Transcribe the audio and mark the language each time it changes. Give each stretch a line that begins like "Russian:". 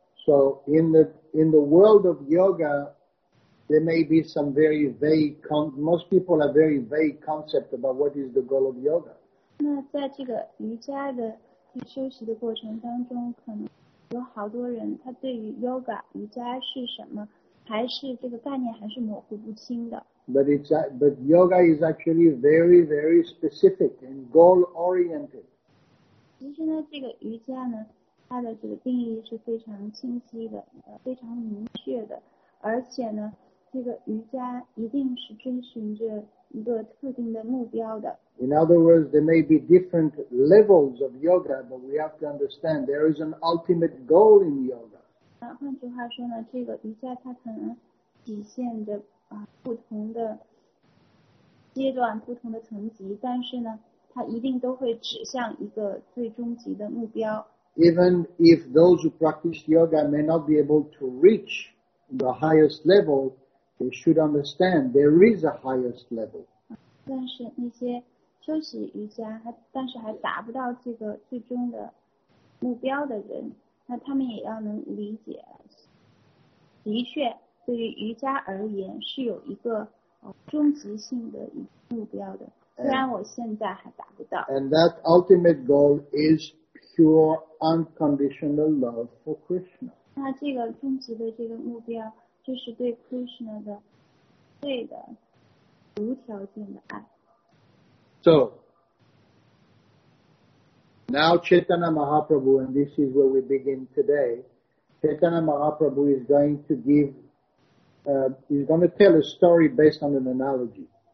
English: So in the world of yoga, there may be some very vague, most people have very vague concept about what is the goal of yoga.
Chinese: 那在这个瑜伽的去休息的过程当中，可能有好多人他对于 yoga 瑜伽是什么，还是这个概念还是模糊不清的。
English: But yoga is actually very, very specific and goal oriented.
Chinese: 其实呢，这个瑜伽呢，它的这个定义是非常清晰的，非常明确的，而且呢，这个瑜伽一定是遵循着一个特定的目标的。
English: In other words, there may be different levels of yoga, but we have to understand there is an ultimate goal in yoga.
Chinese: 换句话说呢，这个瑜伽它可能体现着不同的阶段、不同的层级，但是呢，它一定都会指向一个最终极的目标。
English: Even if those who practice yoga may not be able to reach the highest level, they should understand there is a highest level.
Chinese: 但是那些休息瑜伽，但是还达不到这个最终的目标的人，那他们也要能理解，的确，对于瑜伽而言是有一个终极性的目标的，虽然我现在还达不到。
English: And that ultimate goal is pure unconditional love for Krishna.
Chinese: 那这个终极的这个目标就是对 Krishna 的对的无条件的爱。
English: So, now Chaitanya Mahaprabhu, and this is where we begin today, Chaitanya Mahaprabhu is going to give, he's going to tell a story based on an analogy.